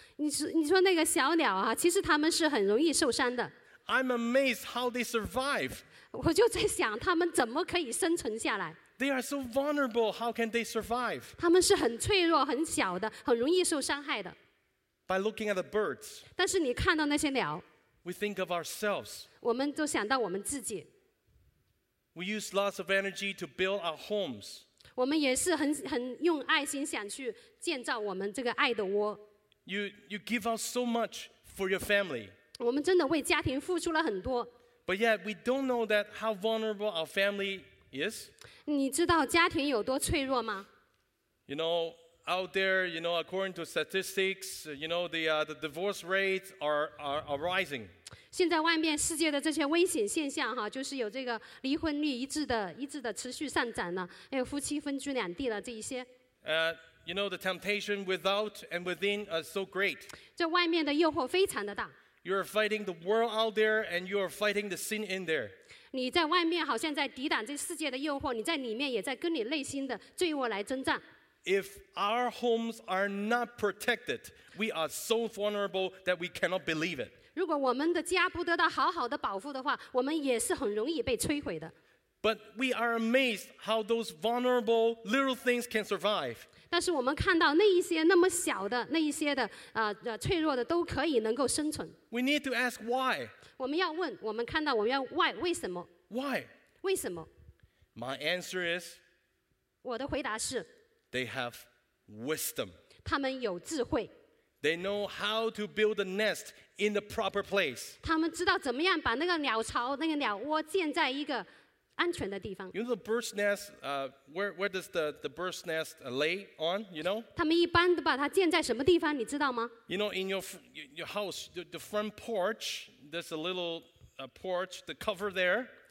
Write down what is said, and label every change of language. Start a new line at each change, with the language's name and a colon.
Chinese: 你说那个小鸟啊，其实他们是很容易受伤的。
English: I'm amazed how they survive.
Chinese: 我就在想，他们怎么可以生存下来
English: ？They are so vulnerable. How can they survive?
Chinese: 他们是很脆弱、很小的，很容易受伤害的。
English: By looking at the birds.
Chinese: 但是你看到那些鸟
English: ，We think of ourselves.
Chinese: 我们就想到我们自己。
English: We use lots of energy to build our homes.
Chinese: 我们也是 很用爱心想去建造我们这个爱的窝。
English: You give out so much for your family.
Chinese: 我们真的为家庭付出了很多。
English: But yet we don't know that how vulnerable our family is.
Chinese: 你知道家庭有多脆弱吗
English: ？You know, out there, you know, according to statistics, you know, the divorce rates are rising.
Chinese: 现在外面世界的这些危险现象哈，就是有这个离婚率一直的持续上涨了，还有夫妻分居两地了这一些。
English: You know the temptation without and within are so great.
Chinese: 这外面的诱惑非常的大。
English: You are fighting the world out there, and you are fighting the sin in there.
Chinese: 你在外面好像在抵挡这世界的诱惑，你在里面也在跟你内心的罪恶来征战。
English: If our homes are not protected, we are so vulnerable that we cannot believe it.
Chinese: 如果我们的家不得到好好的保护的话，我们也是很容易被摧毁的。
English: But we are amazed how those vulnerable little things can survive.
Chinese: 但是我们看到那一些那么小的那一些的脆弱的都可以能够生存。
English: We need to ask why.
Chinese: 我们要问，我们看到我们要 why 为什么
English: ？Why?
Chinese: 为什么
English: ？My answer is.
Chinese: 我的回答是。
English: They have wisdom.
Chinese: 他们有智慧。
English: They know how to build a nest in the proper place.
Chinese: 他们知道怎么样把那个鸟巢、那个鸟窝建在一个安全的地方。
English: You know the bird's nest, where does the bird's nest lay on? You know?
Chinese: 他们一般都把它建在什么地方，你知道吗
English: ？You know, in your house, the front porch, there's a little porch, the cover there.